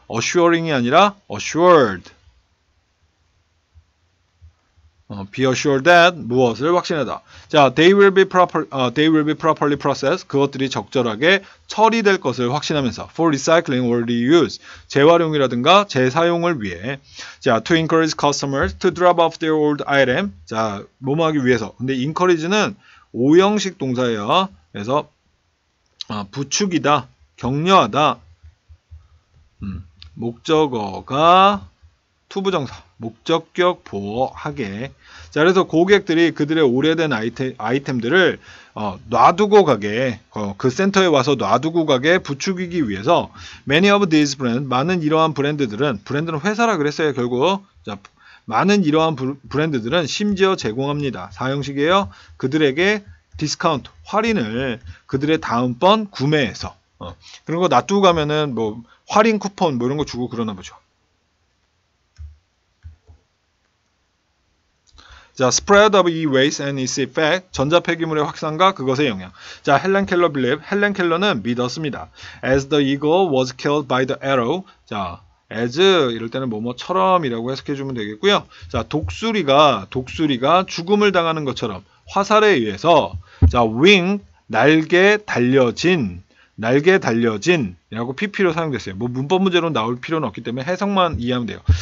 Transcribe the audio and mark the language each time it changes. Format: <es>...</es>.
<en>assuring이</en> <ko>아니라</ko> <en>assured. be assured that</en> <ko>무엇을 확신하다.</ko> <en>자, they will be properly processed.</en> <ko>그것들이 적절하게 처리될 것을 확신하면서</ko> <en>for recycling or reuse.</en> <ko>재활용이라든가 재사용을 위해.</ko> <en>자, to encourage customers to drop off their old item.</en> <ko>자, 뭐뭐하기 위해서. 근데 encourage는 오형식 동사예요. 그래서 부축이다. 격려하다. 목적어가 투부정사, 목적격 보호하게. 자, 그래서 고객들이 그들의 오래된 아이템들을 놔두고 가게, 그 센터에 와서 놔두고 가게 부추기기 위해서</ko> <en>many of these brands,</en> <ko>많은 이러한 브랜드들은, 브랜드는 회사라 그랬어요, 결국. 자, 많은 이러한 브랜드들은 심지어 제공합니다. 사형식이에요. 그들에게 디스카운트, 할인을 그들의 다음번 구매에서. 그런 거 놔두고 가면은 뭐 할인 쿠폰 뭐 이런 거 주고 그러나 보죠.</ko> <en>자, spread of e-waste and its effect.</en> <ko>전자 폐기물의 확산과 그것의 영향. 자,</ko> <en>Helen Keller believed.</en> <ko>Helen Keller는 믿었습니다.</ko> <en>As the eagle was killed by the arrow.</en> <ko>자, as 이럴 때는 뭐뭐처럼이라고 해석해 주면 되겠고요. 자, 독수리가 죽음을 당하는 것처럼 화살에 의해서 자, wing 날개 달려진 날개 달려진이라고 PP로 사용됐어요. 뭐 문법 문제로 나올 필요는 없기 때문에 해석만 이해하면 돼요.</ko>